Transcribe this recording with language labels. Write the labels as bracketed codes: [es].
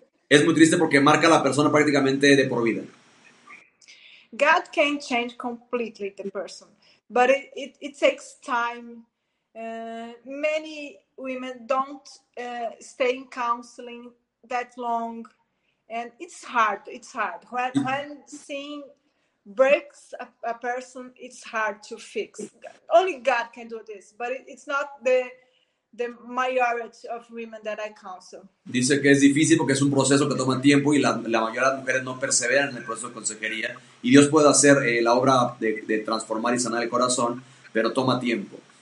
[es] es muy triste porque marca a la persona prácticamente de por vida. [en] God can change completely the person, but it takes time Many women don't stay in counseling that long, and it's hard. It's hard when seeing breaks a person, it's hard to fix. Only God can do this, but it's not the majority of women that I counsel. [es] Dice que es difícil porque es un proceso que toma tiempo y la mayoría de las mujeres no perseveran en el proceso de consejería. Y Dios puede hacer la obra de transformar y sanar el corazón, pero toma tiempo.